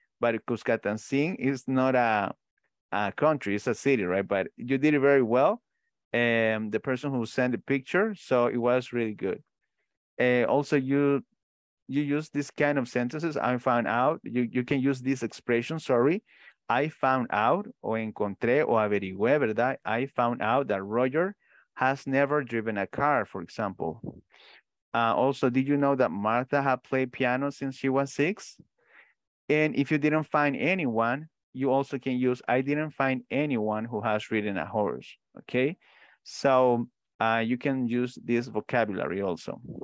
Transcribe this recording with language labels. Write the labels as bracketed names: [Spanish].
[English] But Cuscatancing is not a country, it's a city, right? But you did it very well. The person who sent the picture, so it was really good. Also, you use this kind of sentences. I found out, you can use this expression, sorry. I found out, [Spanish] o encontré, o averigüé, ¿verdad? [English] I found out that Roger has never driven a car, for example. Also, did you know that Martha had played piano since she was 6? And if you didn't find anyone, you also can use, I didn't find anyone who has ridden a horse, okay? So you can use this vocabulary also.